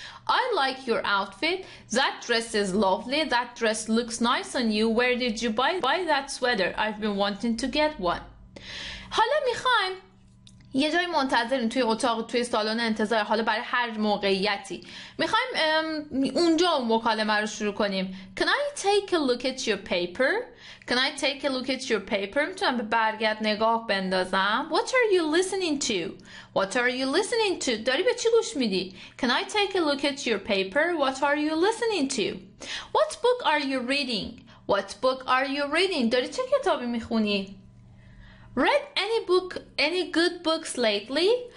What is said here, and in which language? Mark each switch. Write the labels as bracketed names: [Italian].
[English] I like your outfit. That dress is lovely. That dress looks nice on you. Where did you buy that sweater? I've been wanting to get one. [Persian] حالا میخوایم یه جای منتظرین توی اتاق، توی سالن انتظار، حالا برای هر موقعیتی میخوایم اونجا اون مکالمه رو شروع کنیم. [English] Can I take a look at your paper? Can I take a look at your paper? [Persian] میتونم به برگت نگاه بندازم. [English] What are you listening to? What are you listening to? [Persian] داری به چی گوش میدی؟ [English] Can I take a look at your paper? What are you listening to? What book are you reading? What book are you reading? [Persian] داری چه کتابی میخونی؟ [English] Read any book, any good books lately?